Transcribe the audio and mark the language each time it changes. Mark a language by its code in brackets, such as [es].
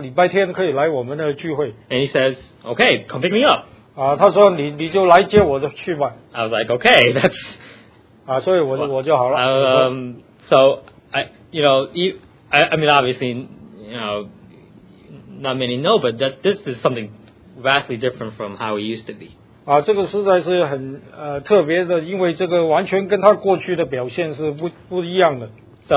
[zh] 本来我问他什么时候走，他说礼拜一走，那我就说，哎，那礼拜天可以来我们的聚会。And [en] he says, okay, come pick me up. [zh] 他说你就来接我就去吧。I [en] was like, okay, that's. [zh] 所以我就好了。 [en] So I mean, obviously, not many know, but that this is something vastly different from how it used to be. [zh] 这个实在是很特别的，因为这个完全跟他过去的表现是不一样的。So